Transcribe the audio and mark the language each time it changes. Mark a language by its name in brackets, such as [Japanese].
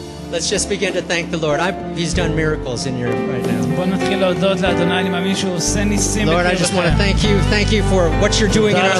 [English] Let's just begin to thank the Lord. He's done miracles in your right now. [Hebrew] בוא נתחיל להודות לאדוני, אני מאמין שהוא עושה ניסים. [English] Lord, I just want to thank you. Thank you for what you're doing in our lives.